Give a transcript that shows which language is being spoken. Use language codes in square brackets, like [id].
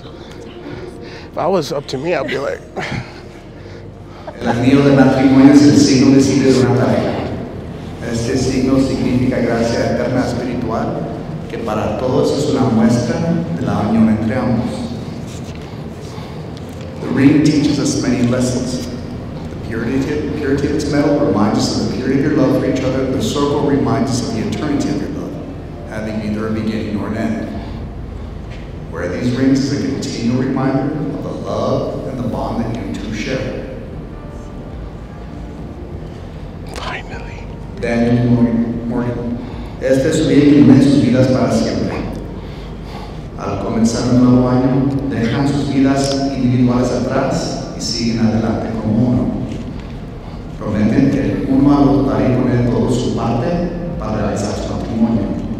[en] If that was up to me, I'd be like. [es] El anillo de matrimonio es el signo decidido de una pareja. Este signo significa gracia eterna espiritual, que para todos es una muestra de la unión entre ambos. [en] The ring teaches us many lessons. The purity of its metal reminds us of the purity of your love for each other. The circle reminds us of the eternity of your love, having neither a beginning nor an end. Wear these rings as a continual reminder of the love and the bond that you two share. [es] Daniel Morgan, este es un día que une sus vidas para siempre. Al comenzar un nuevo año, dejan sus vidas individuales atrás y siguen adelante como uno. Prometen que uno al otro dará y poner todo su parte para realizar su matrimonio.